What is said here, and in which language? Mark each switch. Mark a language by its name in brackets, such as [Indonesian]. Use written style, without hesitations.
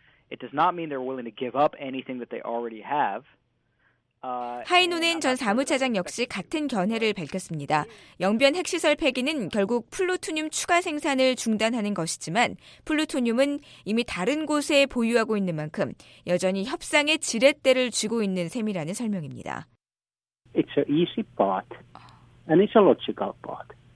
[English] It does not mean they're willing to give up anything that they already have. [Korean] 하이노넨 전 사무차장 역시 같은 견해를 밝혔습니다. 영변 핵시설 폐기는 결국 플루토늄 추가 생산을 중단하는 것이지만 플루토늄은 이미 다른 곳에 보유하고 있는 만큼 여전히 협상의 지렛대를 쥐고 있는 셈이라는 설명입니다. [English] It's an easy part and it's a logical part.